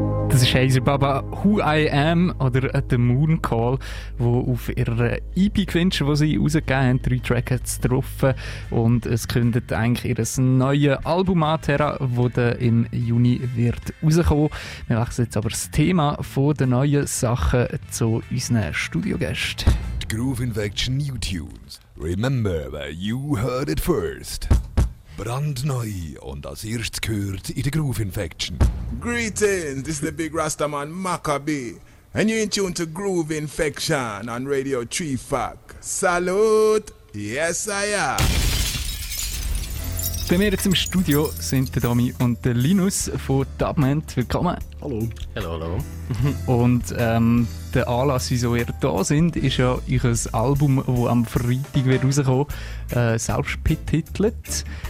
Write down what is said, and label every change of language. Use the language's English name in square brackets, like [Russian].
[German] Das ist Heiser Baba, Who I Am oder The Moon Call, wo auf ihrer EP gewünscht, die sie rausgegeben haben, 3 Tracks getroffen. Und es kündet eigentlich ihr neues Album an, Terra, das dann im Juni wird rauskommen. Wir wechseln jetzt aber das Thema von den neuen Sachen zu unseren Studiogästen. Die Groove Infection New Tunes. [English] Remember where you heard it first. [German] Brandneu und als erstes gehört in der Groove Infection. [English] Greetings, this is the big Rastaman Maccabi. And you're in tune to Groove Infection on Radio 3FAC. Salute! Yes, I am! [German] Bei mir jetzt im Studio sind der Domi und der Linus von Dubment. Willkommen! Hallo! Hallo, hallo! Und der Anlass, wieso ihr da sind, ist ja euer Album, das am Freitag wird rauskommen, selbst betitelt.